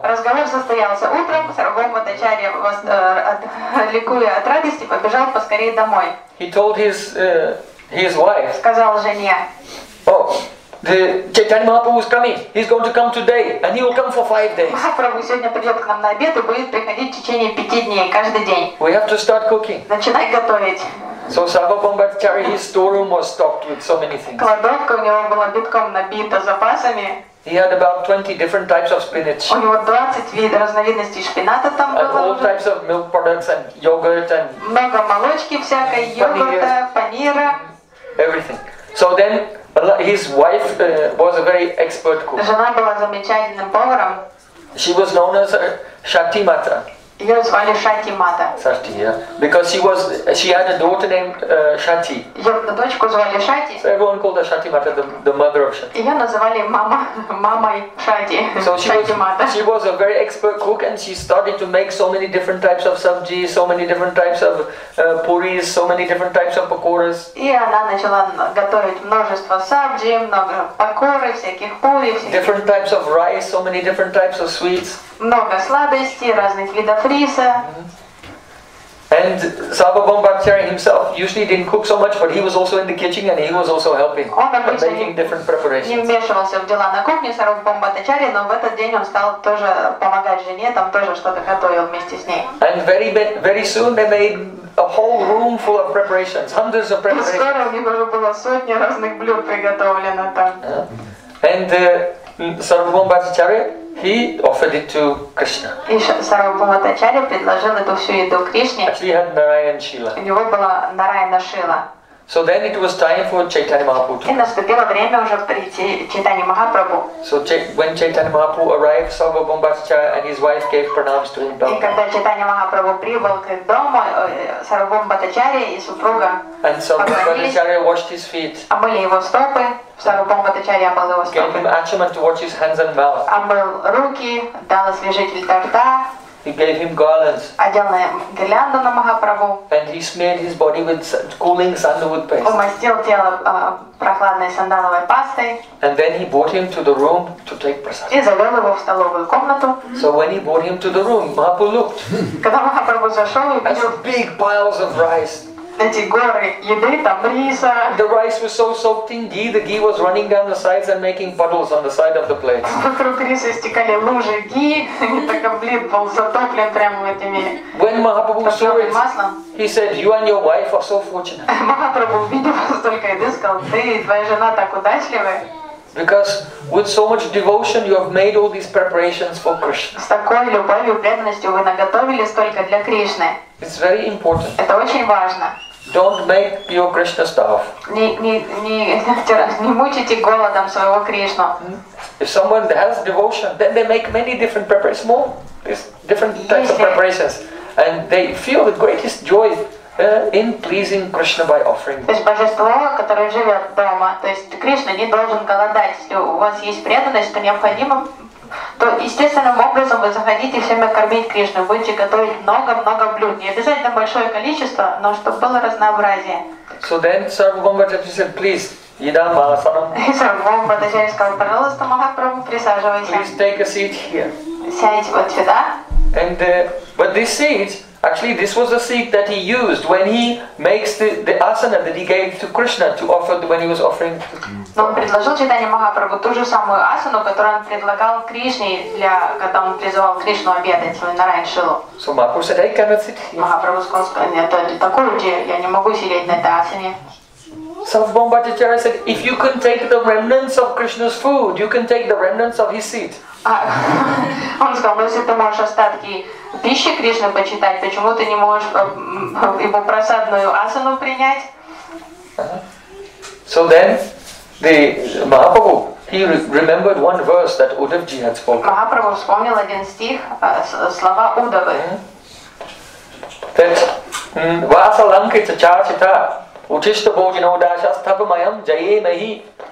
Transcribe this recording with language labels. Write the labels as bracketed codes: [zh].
[ru] Разговор состоялся утром. Сарвабхамбхачарья [en] was [ru] ликуя от радости, побежал поскорее домой. [en] He told his wife. [ru] Сказал жене. [en] Oh, the Chaitanya Mahaprabhu is coming. He's going to come today, and he will come for 5 days. [ru] Махапрабху сегодня придет к нам на обед и будет приходить в течение 5 дней каждый день. [en] We have to start cooking. [ru] Начинай готовить. [en] So Sarvabhambhacharya, his storeroom was stocked with so many things. [ru] Кладовка у него была битком набита запасами. [en] He had about 20 different types of spinach. [ru] У него 20 видов разновидностей шпината там было. [en] And all types of milk products and yogurt and. [ru] Много молочки всякой, йогурта, панира. [en] Everything. So then his wife was a very expert cook. [ru] Жена была замечательным поваром. [en] She was known as Shakti Mata. [ru] Ее звали Шати Мата. [en] Шати, yeah. Because she had a daughter named Шати. [ru] Ее дочку звали Шати. [en] So everyone called her Шати Мата, the mother of Шати. [ru] Ее называли мамой Шати. [en] So [ru] Шати Мата. [en] She was a very expert cook, and she started to make so many different types of sabji, so many different types of puris, so many different types of pakoras. [ru] И она начала готовить множество сабджи, много пакоры, всяких пури. [en] Different types of rice, so many different types of sweets. [ru] Много сладостей, разных видов риса. Mm-hmm. [en] And Sarvabhambhacharya himself usually didn't cook so much, but he was also in the kitchen and he was also helping, making different preparations. [ru] Он обычно не вмешивался в дела на кухне Сарвабхамбхачарья, но в этот день он стал тоже помогать жене, там тоже что-то готовил вместе с ней. [en] And very soon they made a whole room full of preparations, hundreds of preparations. [ru] Скоро у них уже было сотни разных блюд приготовлено там. [en] Yeah. And Sarvabhambhacharya, he offered it to Krishna. [ru] И Сарвабхамбхачарья предложил эту всю еду Кришне. [en] Actually, had Narayana Shila. [ru] У него была Нарайана Шила. [en] So then it was time for Chaitanya Mahaprabhu. [ru] И наступило время уже прийти Чайтанья Махапрабху. [en] So when Chaitanya Mahaprabhu arrived, Sarvabhambhacharya and his wife gave pranams to him. [ru] И когда Чайтанья Махапрабху прибыл к дому, Сарвабхамбхачарья и супруга. [en] And Сарвабхамбхачарья washed his feet. [ru] Омыли его стопы. Сарвабхамбхачарья омыл его стопы. [en] Gave him achaman to wash his hands and mouth. [ru] Омыл руки, дал освежитель для рта. [en] He gave him garlands. [ru] Одел гирлянду на Махапрабху. [en] And he smeared his body with cooling sandalwood paste. [ru] Умастил тело прохладной сандаловой пастой. [en] And then he brought him to the room to take prasad. [ru] И завел его в столовую комнату. [en] So when he brought him to the room, Mahaprabhu looked. [ru] Когда Махапрабху зашел, увидел. [en] That's big piles of rice. [ru] Эти горы еды, там риса. [en] The rice was so soaked in ghee, the ghee was running down the sides and making puddles on the side of the plate. [ru] Вокруг риса истекали лужи ghee, и так блин был затоплен прямо этими. [en] When Mahaprabhu saw it, he said, "You and your wife are so fortunate." [ru] Махапрабху увидел столько еды, сказал, "Ты и твоя жена так удачливы." [en] Because with so much devotion, you have made all these preparations for Krishna. [ru] С такой любовью, преданностью вы наготовили столько для Кришны. [en] It's very important. [ru] Это очень важно. [en] Don't make your Krishna starve. [ru] Не мучите голодом своего Кришну. [en] If someone has devotion, then they make many different preparations, more different types of preparations, and they feel the greatest joy. In pleasing Krishna by offering. [ru] То есть божество, которое живет дома, то есть Кришна не должен голодать. Если у вас есть преданность, то необходимо, то естественным образом вы заходите всеми кормить Кришну, будете готовить много-много блюд, не обязательно большое количество, но чтобы было разнообразие. [en] So then, Sarvabhambhacharya said, please. Идам [sa] Аласанам. [ru] И Сарвабхамбхачарья сказал, пожалуйста, Махапрабху, присаживайся. [en] Please take a seat here. [ru] Сядь вот сюда. [en] And but this seat. Actually, this was a seat that he used when he makes the asana that he gave to Krishna to offer when he was offering. [ru] Но он предложил Чайтанья Махапрабху ту же самую асану, которую он предлагал Кришне для, когда он призывал Кришну обедать свою Нарайан Шилу. [en] So Mahaprabhu said, "I cannot sit here." [ru] Махапрабху сказал, "Нет, такой уже я не могу сидеть на этой асане." [en] Sarvabhambhacharya said, "If you can take the remnants of Krishna's food, you can take the remnants of his seat." [ru] Он сказал, ну если ты можешь остатки пищи Кришны почитать, почему ты не можешь его просадную асану принять? [en] So then, the Mahaprabhu, he remembered one verse that Uddhavji had spoken. [ru] Mahaprabhu вспомнил один стих, слова Удавы. [sa] That vasalankita chachita utishta bhojana udasha stabamayam jaye mahi.